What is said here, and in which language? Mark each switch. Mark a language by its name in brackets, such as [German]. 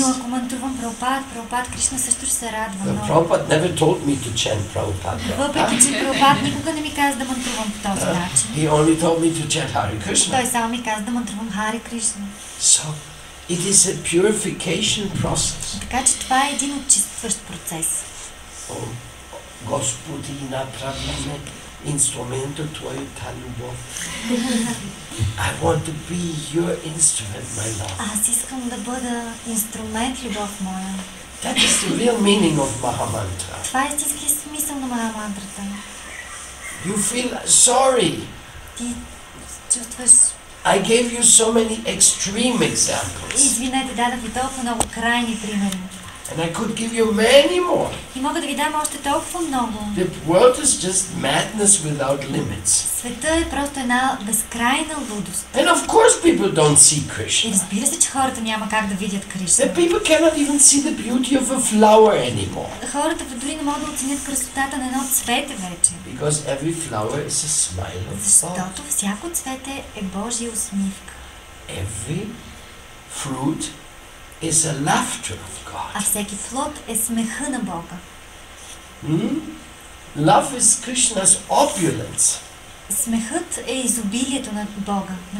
[Bulgarian] Но ако мантрувам Прабхупада, Прабхупада, Кришна също се радва. [English] The Prabhupada never told me to chant Prabhupada. [Bulgarian] Въпреки че Прабхупада никога не ми каза да мантрувам по този начин. [English] He only told me to chant Hare Krishna. [Bulgarian] Той само ми каза да мантрувам Hare Krishna. [English] So it is a purification process. [Bulgarian] Така че това е един очистващ процес. Господи, направи ме инструмент от твоята любов. [English] I want to be your instrument, my love. [Bulgarian] Аз искам да бъда инструмент, любов моя. [English] That is the real meaning of Mahamantra. [Bulgarian] Това е истински смисъл на Mahamantrата. [English] You feel sorry. [Bulgarian] Ти чувстваш... [English] I gave you so many extreme examples. [Bulgarian] Извинете, дадах ви толкова много крайни примери. [English] And I could give you many more. [Bulgarian] И мога да ви дам още толкова много. [English] The world is just madness without limits. [Bulgarian] Света е просто една безкрайна лудост. [English] And of course people don't see Krishna. [Bulgarian] И разбира се, че хората няма как да видят Кришна. [English] The people cannot even see the beauty of a flower anymore. [Bulgarian] Хората дори не могат да оценят красотата на едно цвете вече. [English] Because every flower is a smile of God. [Bulgarian] Защото всяко цвете е Божия усмивка. [English] Every fruit is a laughter of God. [Bulgarian] А всеки плод е смеха на Бога. [English] Love is Krishna's opulence. [Bulgarian] Смехът е изобилието на Бога.